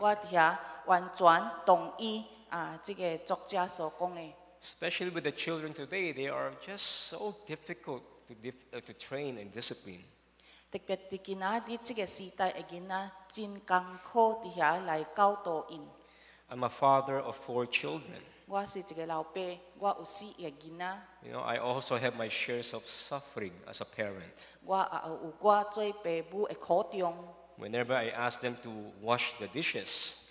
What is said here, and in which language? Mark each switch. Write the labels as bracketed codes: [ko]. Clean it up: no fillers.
[nan] 我遐完全同意这个作者所讲的。 [en] Especially with the children today, they are just so difficult to train and discipline. [nan] 特别伫今仔伫这个时代的囡仔，真艰苦伫遐来教导因。 [en] I'm a father of four children. [nan] 我是一个老爸，我有四个囡仔。 [en] You know, I also have my shares of suffering as a parent. [nan] 我也有我做父母的苦衷。 [en] Whenever I ask them to wash the dishes,